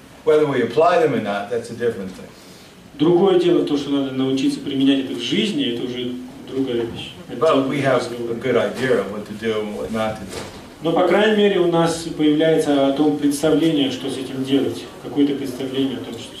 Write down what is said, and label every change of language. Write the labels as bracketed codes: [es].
[en] Whether we apply them or not, that's a different thing. [ru] Другое дело то, что надо научиться применять это в жизни, это уже другая вещь. [en] But we have a good idea of what to do and what not to do. [ru] Но по крайней мере у нас появляется о том представление, что с этим делать, какое-то представление о том, что.